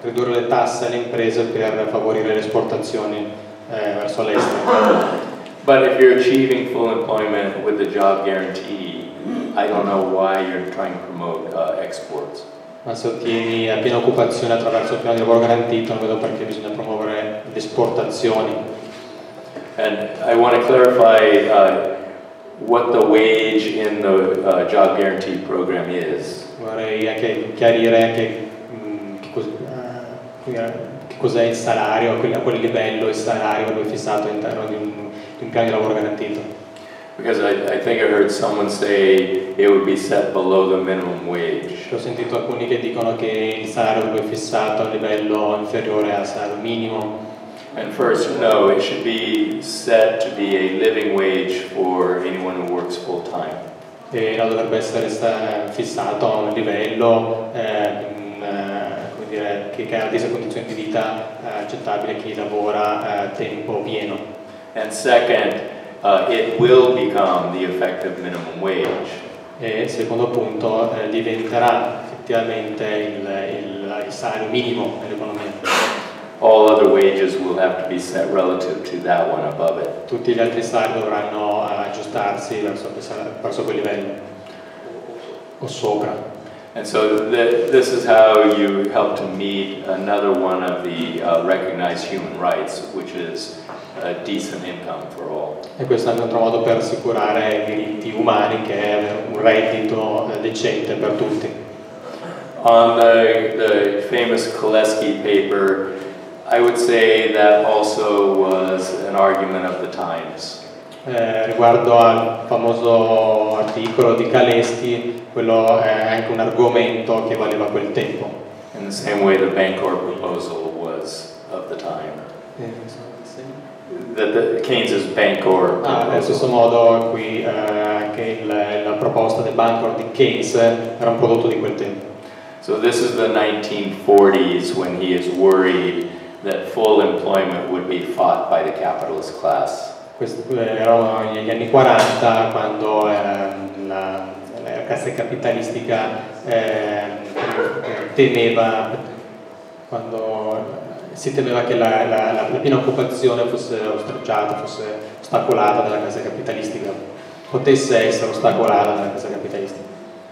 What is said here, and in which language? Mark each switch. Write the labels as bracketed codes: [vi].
[it] Ridurre le tasse alle imprese per favorire le esportazioni verso l'estero. [en] But if you're achieving full employment with the job guarantee, I don't know why you're trying to promote exports. [it] Ma se ottieni a piena occupazione attraverso il piano di lavoro garantito, non vedo perché bisogna promuovere le esportazioni. [en] And I want to clarify what the wage in the job guarantee program is. [it] Vorrei anche chiarire anche che cos'è il salario, a quel livello il salario che è fissato all'interno di un piano di lavoro garantito. [en] Because I think I heard someone say it would be set below the minimum wage. [it] Ho sentito alcuni che dicono che il salario è fissato a livello inferiore al salario minimo. [en] And first, no, it should be set to be a living wage for anyone who works full time. [it] che la dovrebbe essere fissato a un livello come dire, che garantisce condizioni di vita accettabili a chi lavora a tempo pieno. [en] And second, it will become the effective minimum wage. [it] E il secondo punto diventerà effettivamente il salario minimo nell'economia. [en] All other wages will have to be set relative to that one above it. [it] Tutti gli altri salari dovranno aggiustarsi verso quel livello o sopra. [en] And so this is how you help to meet another one of the recognized human rights, which is a decent income for all. [it] E questo è un altro modo per assicurare i diritti umani, che è un reddito decente per tutti. [en] On the famous Kolesky paper, I would say that also was an argument of the times. [it] Riguardo al famoso articolo di Kolesky, quello è anche un argomento che valeva quel tempo. [en] In the same way the Bancor proposal was of the time. The Keynes's Bancor. [it] Nel stesso modo qui anche la proposta del Bancor di Keynes era un prodotto di quel tempo. [en] So this is the 1940s when he is worried that full employment would be fought by the capitalist class. [it] Questo era negli anni 40, quando la classe capitalistica si temeva che la piena occupazione fosse ostracciata, fosse ostacolata dalla classe capitalistica, potesse essere ostacolata dalla classe capitalistica.